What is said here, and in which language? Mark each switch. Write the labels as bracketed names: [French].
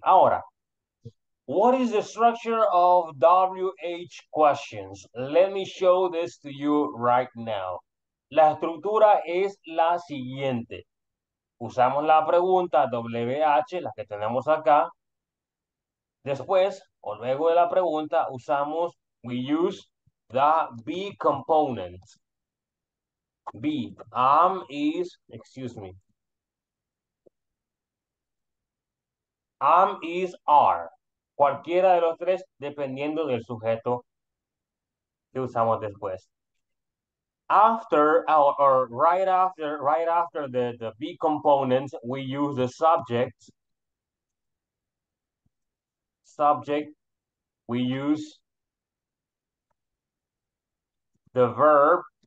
[Spanish] Ahora, [English] what is the structure of WH questions? Let me show this to you right now. [Spanish] La estructura es la siguiente. Usamos la pregunta WH, la que tenemos acá. Después, o luego de la pregunta, usamos, [English] we use the be component. Be, is, excuse me. Am, is, are. [Spanish] Cualquiera de los tres, dependiendo del sujeto que usamos después. [English] After, or right after the be components, we use the subject. Subject, we use the verb.